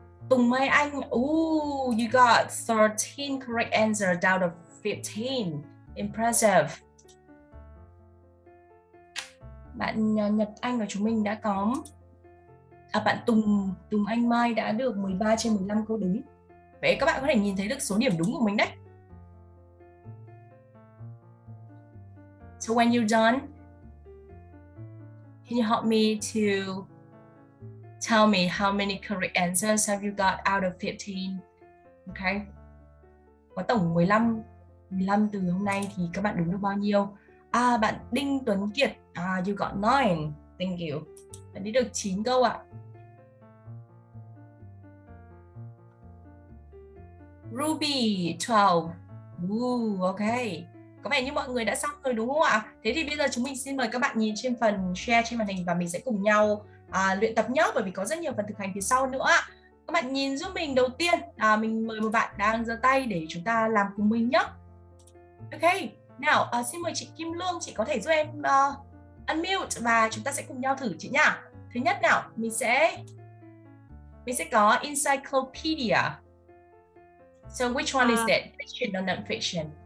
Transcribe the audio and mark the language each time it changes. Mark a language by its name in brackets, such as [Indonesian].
[English] Tùng Mai Anh, you got 13 correct answers out of 15. Impressive. [Vietnamese] Bạn Nhật Anh của chúng mình đã có, à, bạn Tùng Anh Mai đã được 13 trên 15 câu đúng. Vậy các bạn có thể nhìn thấy được số điểm đúng của mình đấy. [English] So when you're done, can you help me to tell me how many correct answers have you got out of 15? Okay. [Vietnamese] Có tổng 15 từ hôm nay thì các bạn đúng được bao nhiêu? [English] À, bạn Đinh Tuấn Kiệt, à, you got 9. Thank you. [Vietnamese] Bạn đi được 9 câu ạ. [English] Ruby, 12. Okay. [Vietnamese] Có vẻ như mọi người đã xong rồi đúng không ạ? Thế thì bây giờ chúng mình xin mời các bạn nhìn trên phần share trên màn hình và mình sẽ cùng nhau luyện tập nhé, bởi vì có rất nhiều phần thực hành phía sau nữa. Các bạn nhìn giúp mình đầu tiên, mình mời một bạn đang giơ tay để chúng ta làm cùng mình nhé. Ok, nào xin mời chị Kim Lương, chị có thể giúp em unmute và chúng ta sẽ cùng nhau thử chị nhá. Thứ nhất nào, mình sẽ có Encyclopedia. [English] So which one is it, fiction or non-fiction?